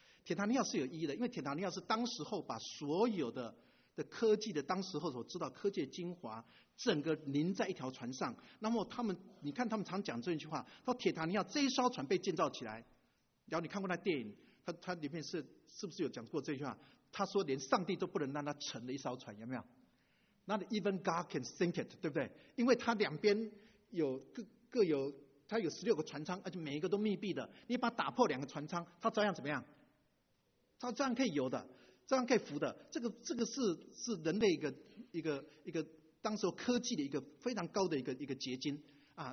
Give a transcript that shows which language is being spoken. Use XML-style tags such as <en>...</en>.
<zh>铁达尼号是有意义的，因为铁达尼号是当时候把所有 的科技的当时候所知道科技的精华整个凝在一条船上。那么他们你看他们常讲这一句话，说铁达尼号这一艘船被建造起来，然后你看过那电影 他里面 是不是有讲过这句话，他说连上帝都不能让他沉的一艘船，有没有？</zh> <en>Not even God can sink it，</en> <zh>对不对？因为他两边有 各有他有16个船舱，而且每一个都密闭的，你把他打破两个船舱他照样怎么样，它这样可以游的，这样可以浮的，这个 是人类一个当时候科技的一个非常高的一个结晶啊。</zh>